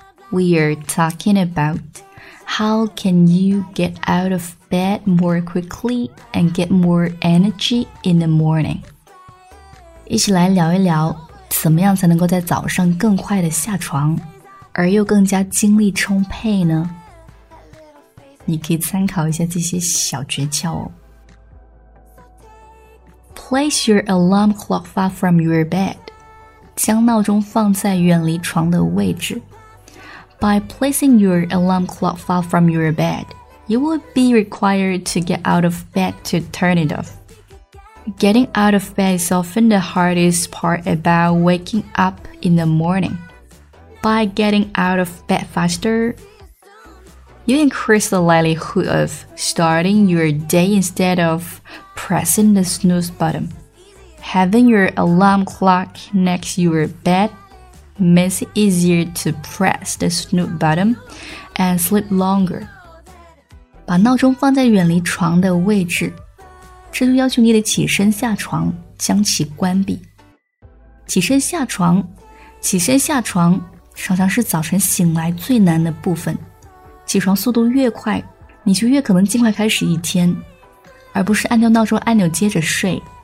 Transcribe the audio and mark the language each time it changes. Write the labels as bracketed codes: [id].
[en] We are talking about how can you get out of bed more quickly and get more energy in the morning， [zh] 一起来聊一聊怎么样才能够在早上更快的下床而又更加精力充沛呢？你可以参考一下这些小诀窍哦。 [en] Place your alarm clock far from your bed. [zh] 将闹钟放在远离床的位置。 [en] By placing your alarm clock far from your bed, you will be required to get out of bed to turn it off. Getting out of bed is often the hardest part about waking up in the morning. By getting out of bed faster,You increase the likelihood of starting your day instead of pressing the snooze button. Having your alarm clock next to your bed makes it easier to press the snooze button and sleep longer. [zh] 把闹钟放在远离床的位置，这就要求你得起身下床，将其关闭。起身下床，起身下床，常常是早晨醒来最难的部分。起床速度越快，你就越可能尽快开始一天，而不是按掉闹钟按钮接着睡。